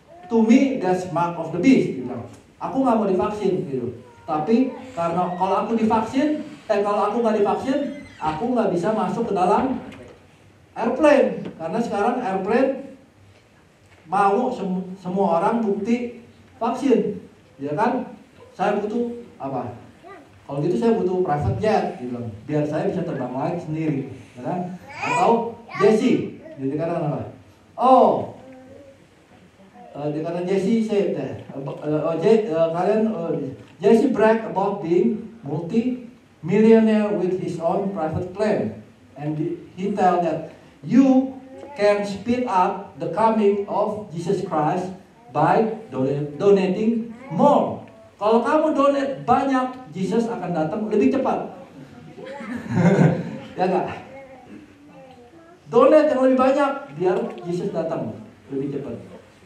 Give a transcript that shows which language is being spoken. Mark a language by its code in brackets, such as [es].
[en] To me, that's mark of the beast, you know. [id] Aku nggak mau divaksin, gitu. Tapi karena kalau aku divaksin, kalau aku nggak divaksin, aku nggak bisa masuk ke dalam airplane. Karena sekarang airplane mau semua orang bukti vaksin, ya kan? Saya butuh apa? Kalau gitu saya butuh private jet, gitu. [en] You know. [id] Biar saya bisa terbang lagi sendiri, ya kan? Atau Jesse, jadi karena apa? Oh. Dikatakan [en] Jesse said that, Jesse brag about being multi-millionaire with his own private plane. And he tell that you can speed up the coming of Jesus Christ by donating more. [id] Kalau kamu donate banyak, Jesus akan datang lebih cepat. Ya enggak? Donate yang lebih banyak, biar Jesus datang lebih cepat.